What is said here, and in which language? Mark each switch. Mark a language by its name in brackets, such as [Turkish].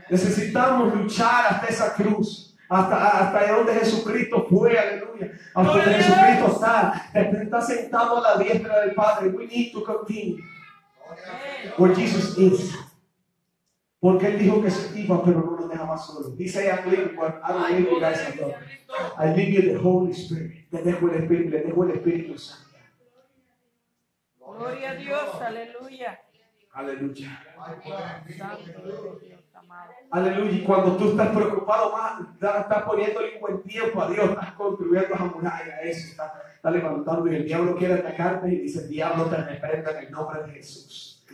[Spanish] Necesitamos luchar hasta esa cruz. Hasta donde Jesucristo fue, aleluya. Hasta donde Jesucristo está. Está sentado a la diestra del Padre. [English] We need to continue. Where Jesus is. [Spanish] Porque Él dijo que se iba, pero no nos dejaba solos. Dice ahí, [English] I don't leave you guys alone. I leave you the Holy Spirit. [Spanish] Te dejo el Espíritu, le dejo el Espíritu Santo. Gloria a Dios, aleluya. Aleluya. Aleluya. Y cuando tú estás preocupado más, estás poniéndole un buen tiempo a Dios, estás construyendo esa muralla, eso está levantando y el diablo quiere atacarte y dice, diablo, te reprenda en el nombre de Jesús.